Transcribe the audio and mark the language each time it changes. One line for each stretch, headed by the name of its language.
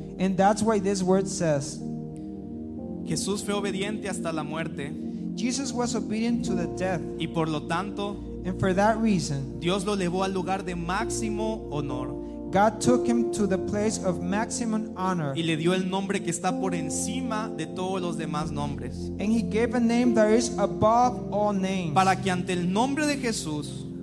English: and that's why this word says,
Spanish: Jesús fue obediente hasta la muerte,
English: Jesus was obedient to the death,
Spanish: y por lo tanto,
English: and for that reason,
Spanish: Dios lo llevó al lugar de máximo honor.
English: God took him to the place of maximum honor,
Spanish: y le dio el nombre que está por encima de todos los demás nombres,
English: and he gave a name that is above all names,
Spanish: para que ante el nombre de Jesús,